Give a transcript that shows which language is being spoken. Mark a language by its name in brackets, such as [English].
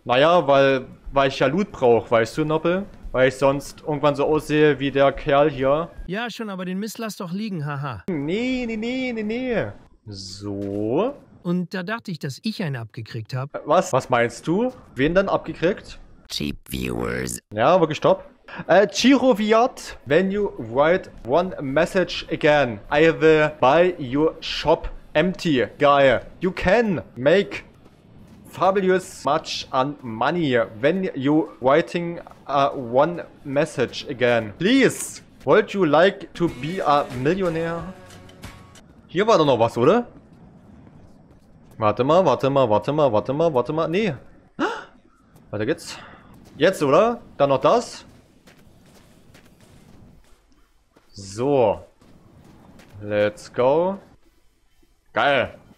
[German] Naja, weil ich ja Loot brauche, weißt du, Noppel? Weil ich sonst irgendwann so aussehe wie der Kerl hier. Ja, schon, aber den Mist lass doch liegen, haha. Nee. So... Und da dachte ich, dass ich einen abgekriegt habe. Was? Was meinst du? Wen denn abgekriegt? [English] Cheap Viewers. [German] Ja, wirklich, stopp. [English] Chiro Viat, when you write one message again, I will buy your shop empty, guy. You can make fabulous much on money when you writing one message again. Please, would you like to be a millionaire? [German] Hier war doch noch was, oder? Warte mal. Nee. Weiter geht's. Jetzt, oder? Dann noch das. So. [English] Let's go. [German] Geil.